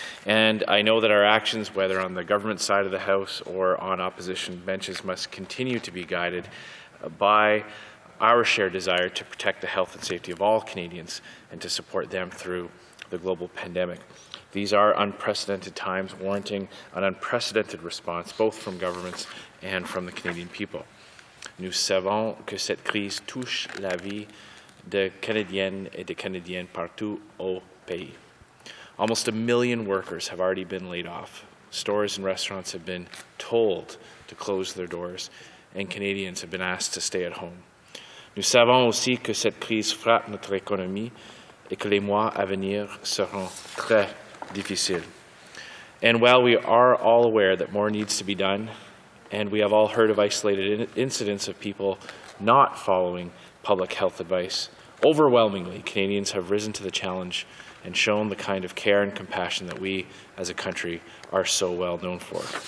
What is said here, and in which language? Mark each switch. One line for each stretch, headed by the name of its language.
English: And I know that our actions, whether on the government side of the House or on opposition benches, must continue to be guided by our shared desire to protect the health and safety of all Canadians and to support them through the global pandemic. These are unprecedented times, warranting an unprecedented response, both from governments and from the Canadian people.
French: Nous savons que cette crise touche la vie de Canadiennes et de Canadiens partout au pays.
English: Almost a million workers have already been laid off. Stores and restaurants have been told to close their doors, and Canadians have been asked to stay at home.
French: Nous savons aussi que cette crise frappe notre économie et que les mois à venir seront très difficile.
English: And while we are all aware that more needs to be done, and we have all heard of isolated incidents of people not following public health advice, overwhelmingly, Canadians have risen to the challenge and shown the kind of care and compassion that we, as a country, are so well known for.